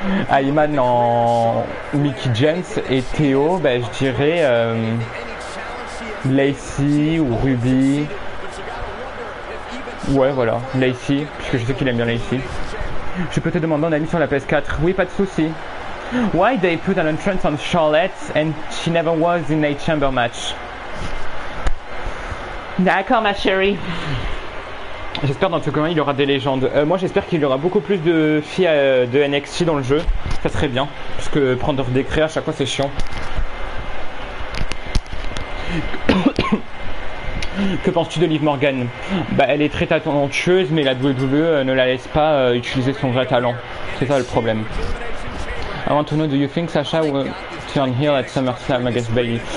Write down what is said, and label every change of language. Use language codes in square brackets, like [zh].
[fr] Ayman en Mickey James et Théo, bah je dirais... Lacey ou Ruby. Ouais, voilà, Lacey, parce que je sais qu'il aime bien Lacey. Je peux te demander un ami sur la PS4? Oui, pas de soucis. [en] Why they put an entrance on Charlotte and she never was in a chamber match? [fr] D'accord, ma chérie. J'espère dans tout cas il y aura des légendes. Moi, j'espère qu'il y aura beaucoup plus de filles de NXT dans le jeu. Ça serait bien, parce que prendre des créas à chaque fois, c'est chiant. Que penses-tu de Liv Morgan? Bah, elle est très talentueuse, mais la WWE ne la laisse pas utiliser son vrai talent. C'est ça le problème. [en] I want to know, do you think Sasha will turn heel at SummerSlam against Bayley?